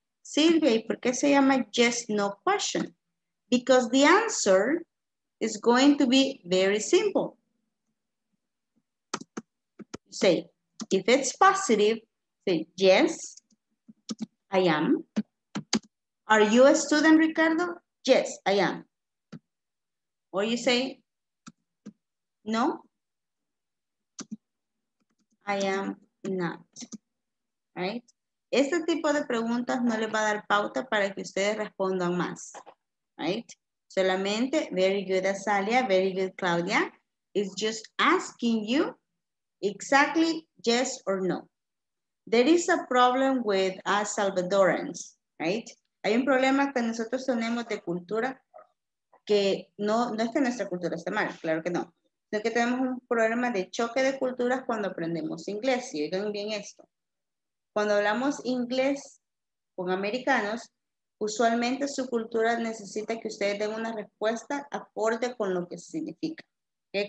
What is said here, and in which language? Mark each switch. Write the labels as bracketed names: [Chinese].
[Spanish] Silvia, ¿y por qué se llama yes, no question? [English] Because the answer is going to be very simple. Say, if it's positive, say yes, I am. Are you a student, Ricardo? Yes, I am. Or you say, no, I am not, right? [Spanish] Este tipo de preguntas no les va a dar pauta para que ustedes respondan más, right? [English] Solamente, very good, Azalia, very good, Claudia. It's just asking you exactly yes or no. There is a problem with us Salvadorans, right? [Spanish] Hay un problema que nosotros tenemos de cultura que no, no es que nuestra cultura esté mal, claro que no. Sino que tenemos un problema de choque de culturas cuando aprendemos inglés. Y oigan bien esto. Cuando hablamos inglés con americanos, usualmente su cultura necesita que ustedes den una respuesta acorde con lo que significa, ¿okay?